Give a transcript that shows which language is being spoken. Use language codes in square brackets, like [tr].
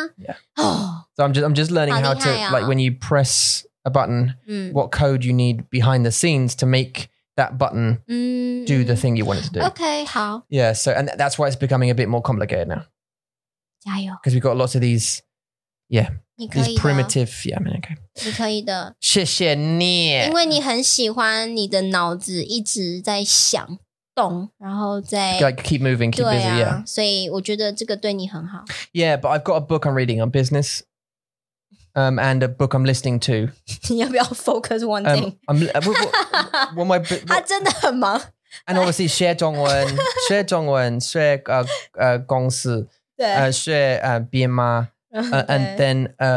[en] Yeah. So I'm just learning how to, like when you press a button,、mm. what code you need behind the scenes to make... that button、mm-hmm. do the thing you want it to do. Okay, [zh] 好. [en] Yeah, so, and that's why it's becoming a bit more complicated now. [zh] 加油. [en] Because we've got lots of these, yeah, these primitive, yeah, I mean, okay. [zh] 你可以的。谢谢你。因为你很喜欢你的脑子一直在想动然后在 [en] Like keep moving, keep [zh] 对啊, [en] busy, yeah. [zh] 所以我觉得这个对你很好。 [en] Yeah, but I've got a book I'm reading on business. And a book I'm listening to. [zh] 你要不要 [en] focus one thing? I'm [zh] 他真的很忙。 [en] And obviously, [zh] 学中文, 学中文, 学公司, 学编码, [en] and then...